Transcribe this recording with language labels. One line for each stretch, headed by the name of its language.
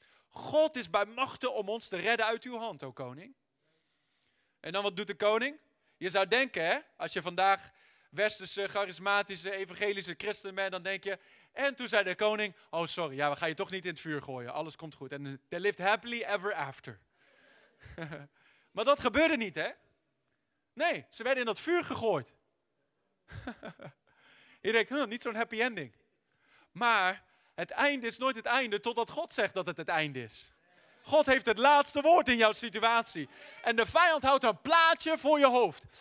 Dutch: God is bij machten om ons te redden uit uw hand, o koning. En dan wat doet de koning? Je zou denken, hè, als je vandaag westerse, charismatische, evangelische christen bent, dan denk je... En toen zei de koning, oh sorry, ja, we gaan je toch niet in het vuur gooien, alles komt goed.
English: En they lived happily ever after.
Dutch: Maar dat gebeurde niet, hè? Nee, ze werden in dat vuur gegooid. Je denkt, niet zo'n happy ending. Maar het einde is nooit het einde totdat God zegt dat het einde is. God heeft het laatste woord in jouw situatie. En de vijand houdt een plaatje voor je hoofd.